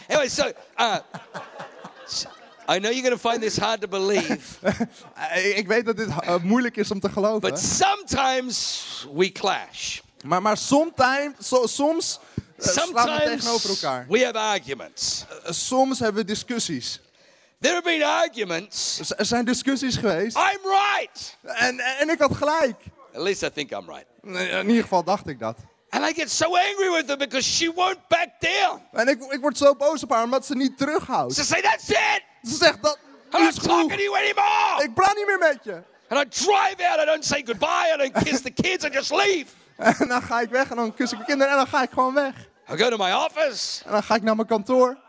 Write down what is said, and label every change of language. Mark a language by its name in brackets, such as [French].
[English] Anyway, so I know you're going to find this hard to believe. [Dutch] Ik weet dat dit moeilijk is om te geloven. [English] But sometimes we clash. [Dutch] Maar soms slaan we tegenover elkaar. [English] We have arguments. [Dutch] Soms hebben we discussies. [English] There have been arguments. [Dutch] Er zijn discussies geweest. [English] I'm right. [Dutch] En ik had gelijk. [English] At least I think I'm right. [Dutch] In ieder geval dacht ik dat. [English] And I get so angry with her because she won't back down. [Dutch] En ik word zo boos op haar omdat ze niet terughoudt. [English] She says, that's it. [Dutch] Ze zegt dat. [English] I'm not talking to you anymore. [Dutch] Ik praat niet meer met je. [English] And I drive out. I don't say goodbye. I don't kiss the kids. I just leave. [Dutch] En dan ga ik weg en dan kus ik mijn kinderen en dan ga ik gewoon weg. [English] I go to my office. [Dutch] En dan ga ik naar mijn kantoor.